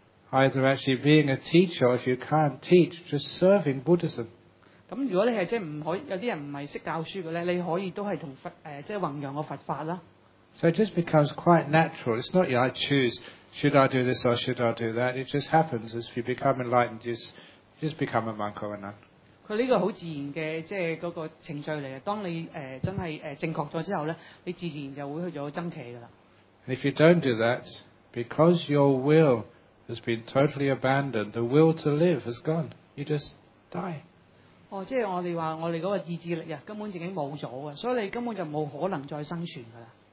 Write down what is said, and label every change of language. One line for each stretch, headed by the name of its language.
English: Either actually being a teacher, or if you can't teach, just serving Buddhism.
Cantonese: 咁如果你係即係唔可以，有啲人唔係識教書嘅咧，你可以都係同佛即係弘揚個佛法啦。
English: So it just becomes quite natural. It's not I choose should I do this or should I do that. It just happens as you become enlightened. You just become a monk or a nun.
Cantonese: 佢呢個好自然嘅即係嗰個程序嚟嘅。當你真係正確咗之後咧，你自然就會去咗僧伽噶啦。
English: And if you don't do that, because your will has been totally abandoned, the will to live has gone. You just die.
Cantonese: 哦，即係我哋話我哋嗰個意志力啊，根本已經冇咗嘅，所以你根本就冇可能再生存噶啦。